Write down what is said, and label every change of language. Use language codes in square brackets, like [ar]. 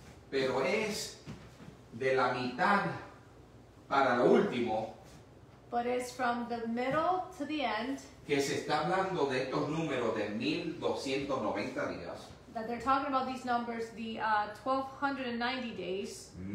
[es] Pero es de la mitad para lo último. [en] But it's from the middle to the end. [es] Que se está hablando de estos números de 1290 días. [en] That they're talking about these numbers, the 1290 days.